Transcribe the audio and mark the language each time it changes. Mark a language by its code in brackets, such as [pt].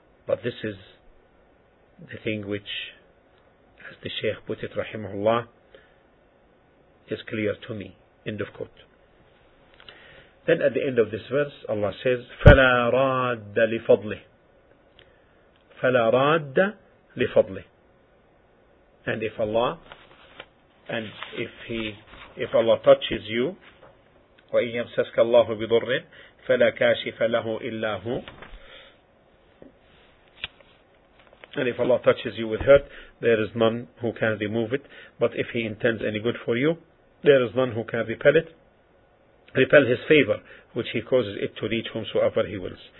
[en] But this is the thing which, as the Shaykh put it, rahimahullah, is clear to me. End of quote. [ar] Then at the end of this verse, Allah says, فَلَا رَادَّ لِفَضْلِهِ فَلَا رَادَّ لِفَضْلِهِ. [en] And if Allah, if Allah touches you, [ar] وَإِنْ يَمْسَسْكَ اللَّهُ بِضُرٍ فَلَا كَاشِفَ لَهُ إِلَّا هُوَ. [en] And if Allah touches you with hurt, there is none who can remove it. But if He intends any good for you, there is none who can repel it, repel His favor, which He causes it to reach whomsoever He wills.